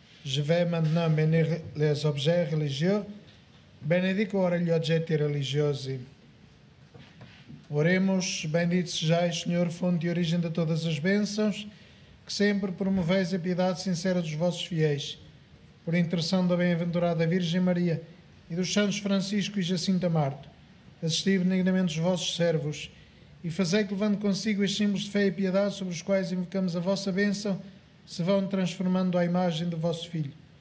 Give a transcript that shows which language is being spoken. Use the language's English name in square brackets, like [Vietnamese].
[French] Je vais maintenant bénir les objets religieux. [Italian] Benedico ora gli oggetti religiosi. [Portuguese] Oremos, bendito sejais, Senhor, fonte e origem de todas as bênçãos, que sempre promoveis a piedade sincera dos vossos fiéis. Por intercessão da bem-aventurada Virgem Maria e dos santos Francisco e Jacinta Marto, assisti benignamente os vossos servos, e fazei que, levando consigo os símbolos de fé e piedade sobre os quais invocamos a vossa bênção, se vão transformando à imagem do vosso Filho.